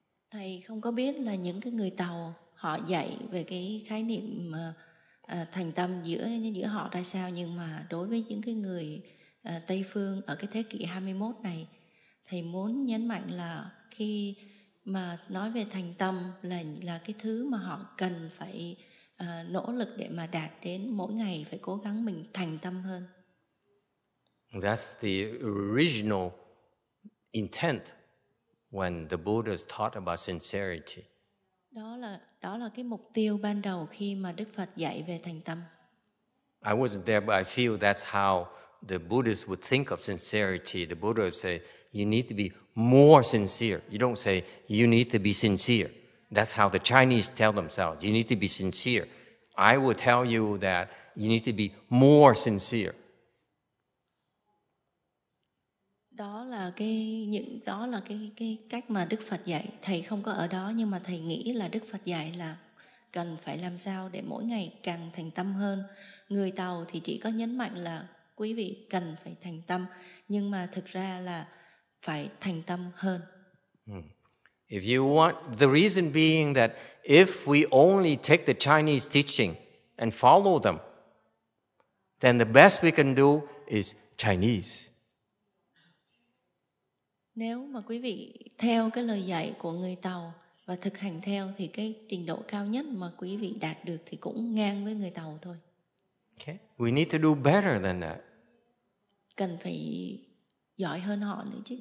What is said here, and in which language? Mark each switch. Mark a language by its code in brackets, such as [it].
[vi] Thầy không có biết là những cái người Tàu họ dạy về cái khái niệm thành tâm giữa họ ra sao, nhưng mà đối với những cái người Tây phương ở cái thế kỷ 21 này, thầy muốn nhấn mạnh là khi mà nói về thành tâm là cái thứ mà họ cần phải nỗ lực để mà đạt đến, mỗi ngày phải cố gắng mình thành tâm hơn. [en] That's the original intent when the Buddha is taught about sincerity. [vi] Đó là cái mục tiêu ban đầu khi mà Đức Phật dạy về thành tâm. [en] I wasn't there, but I feel that's how the Buddhists would think of sincerity. The Buddha would say, you need to be more sincere. You don't say, you need to be sincere. That's how the Chinese tell themselves, you need to be sincere. I would tell you that you need to be more sincere. [vi] Đó là cái cách mà Đức Phật dạy. Thầy không có ở đó, nhưng mà thầy nghĩ là Đức Phật dạy là cần phải làm sao để mỗi ngày càng thành tâm hơn. Người Tàu thì chỉ có nhấn mạnh là quý vị cần phải thành tâm, nhưng mà thực ra là phải thành tâm hơn. [en] If you want, the reason being that if we only take the Chinese teaching and follow them, then the best we can do is Chinese. [vi] Nếu mà quý vị theo cái lời dạy của người Tàu và thực hành theo, thì cái trình độ cao nhất mà quý vị đạt được thì cũng ngang với người Tàu thôi. [en] Okay. We need to do better than that. [vi] Cần phải giỏi hơn họ nữa chứ.